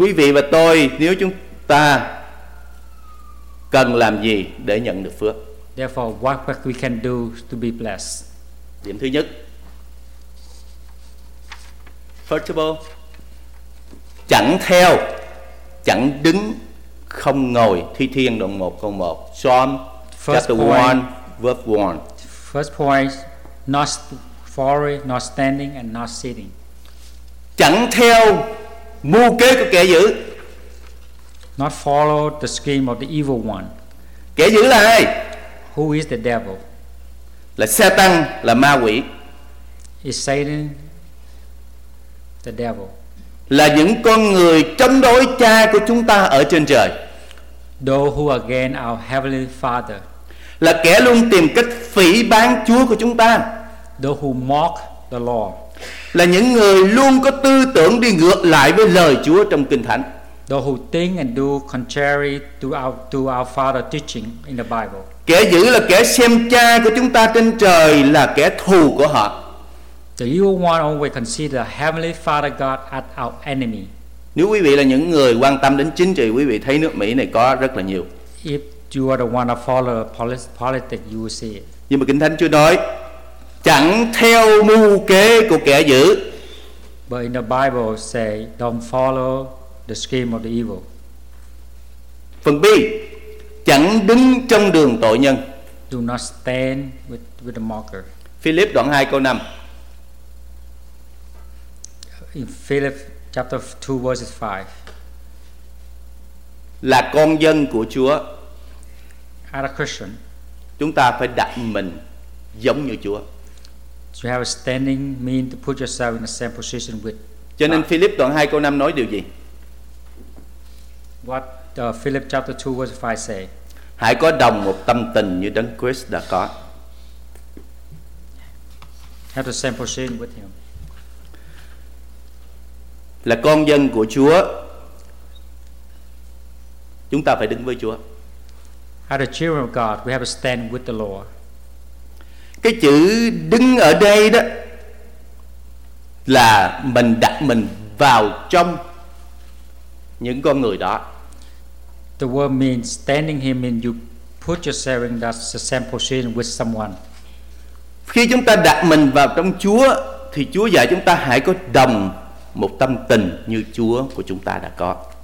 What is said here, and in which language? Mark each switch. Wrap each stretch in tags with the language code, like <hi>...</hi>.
<vi>quý vị và tôi, nếu chúng ta cần làm gì để nhận được phước?</vi> <en>Therefore, what we can do to be blessed?</en> <vi>Điểm thứ nhất.</vi> <en>First of all,</en> <vi>chẳng theo, chẳng đứng, không ngồi. Thi Thiên đoạn 1 câu 1.</vi> <en>Psalm chapter 1 verse 1. First point, not following, not standing and not sitting.</en> <vi>Chẳng theo mưu kế của kẻ dữ.</vi> <en>not follow the scheme of the evil one.</en> <vi>Kẻ dữ là ai?</vi> <en>Who is the devil?</en> <vi>Là Satan, là ma quỷ.</vi> <en>Is Satan the devil?</en> <vi>Là những con người chống đối cha của chúng ta ở trên trời.</vi> <en>Those who are against our heavenly father.</en> <vi>Là kẻ luôn tìm cách phỉ báng Chúa của chúng ta.</vi> <en>Those who mock the Lord.</en> <vi>Là những người luôn có tư tưởng đi ngược lại với lời Chúa trong Kinh Thánh.</vi> <en>Those who think and do contrary to our father teaching in the Bible.</en> <vi>Kẻ dữ là kẻ xem cha của chúng ta trên trời là kẻ thù của họ.</vi> <en>The evil one always consider the heavenly father God as our enemy.</en> <vi>Nếu quý vị là những người quan tâm đến chính trị, quý vị thấy nước Mỹ này có rất là nhiều.</vi> <en>If you are the one to follow politics, you will see it.</en> <vi>Nhưng mà Kinh Thánh Chúa nói, chẳng theo mưu kế của kẻ dữ.</vi> <en>But in the Bible say, don't follow the scheme of the evil.</en> <vi>Phần B, chẳng đứng trong đường tội nhân.</vi> <en>Do not stand with the mocker.</en> <vi>Philip đoạn 2 câu 5.</vi> <en>In Philip chapter 2 verses 5.</en> <vi>Là con dân của Chúa.</vi> <en>As a Christian,</en> <vi>chúng ta phải đặt mình giống như Chúa.</vi> <en>You have a standing mean to put yourself in the same position with.</en> <vi>Cho nên Philip đoạn 2 câu 5 nói điều gì?</vi> <en>What the Philip chapter 2 verse 5 say?</en> <vi>Hãy có đồng một tâm tình như Đấng Christ đã có.</vi> <en>Have the same position with him.</en> <vi>Là con dân của Chúa, chúng ta phải đứng với Chúa.</vi> <en>As a children of God, we have to stand with the Lord.</en> <vi>Cái chữ đứng ở đây đó là mình đặt mình vào trong những con người đó.</vi> <en>The word means standing here means you put yourself in that same position with someone.</en> <vi>Khi chúng ta đặt mình vào trong Chúa thì Chúa dạy chúng ta hãy có đồng một tâm tình như Chúa của chúng ta đã có.</vi>